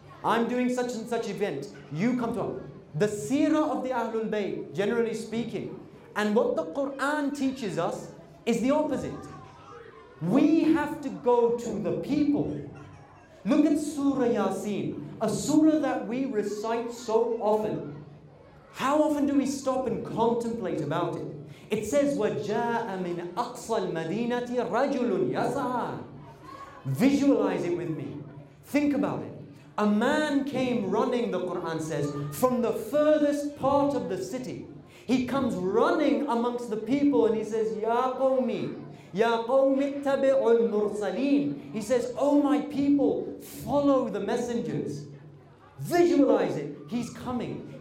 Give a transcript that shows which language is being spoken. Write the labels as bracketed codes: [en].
[en] I'm doing such and such event. You come to us. The seerah of the Ahlul Bayt, generally speaking, and what the Quran teaches us is the opposite. We have to go to the people. Look at Surah Yasin, a surah that we recite so often. How often do we stop and contemplate about it? It says, [ar] وَجَاءَ مِنْ أَقْصَى الْمَدِينَةِ رَجُلٌ يَسَعَى. [en] Visualize it with me. Think about it. A man came running, the Quran says, from the furthest part of the city. He comes running amongst the people and he says, [ar] Ya qawmi ittabi'ul mursaleen. [en] He says, oh my people, follow the messengers. Visualize it. He's coming.